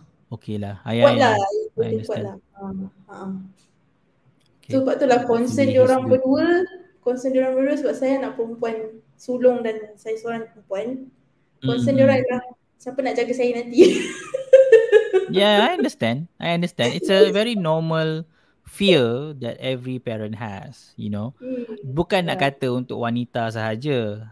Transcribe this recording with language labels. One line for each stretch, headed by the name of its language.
Malay: Okey lah. Buatlah. Okay. Sebab tu lah concern diorang berdua. Concern diorang berdua sebab saya anak perempuan sulung dan saya seorang perempuan. Concern diorang ialah siapa nak jaga saya nanti.
English: Yeah, I understand. It's a very normal fear that every parent has, you know.
Malay: Bukan nak kata untuk wanita sahaja.